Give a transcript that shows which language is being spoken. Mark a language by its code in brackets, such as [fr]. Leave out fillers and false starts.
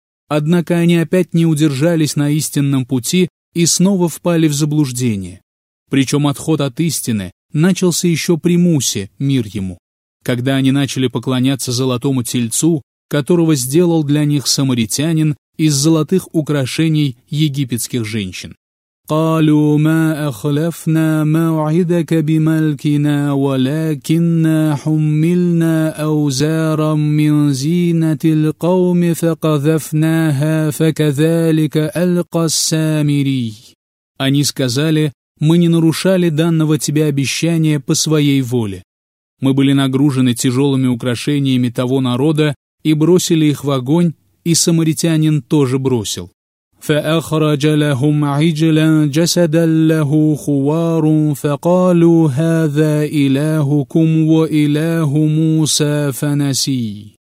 [ru] Однако они опять не удержались на истинном пути и снова впали в заблуждение. Причем отход от истины начался еще при Мусе, мир ему, когда они начали поклоняться золотому тельцу, которого сделал для них самаритянин из золотых украшений египетских женщин. [ar] قالوا ما أخلفنا موعدك بملكنا ولكننا حملنا أوزارا من زينة القوم فقذفناها فكذلك ألقى السامري. [ru] Они сказали: мы не нарушали данного тебе обещания по своей воле. Мы были нагружены тяжелыми украшениями того народа и бросили их в огонь, и самаритянин тоже бросил. [ar] فَأَخْرَجَ لَهُمْ عِجْلًا جَسَدًا لَهُ خُوَارٌ فَقَالُوا هَذَا إِلَهُكُمْ وَإِلَهُ مُوسَى فَنَسِي.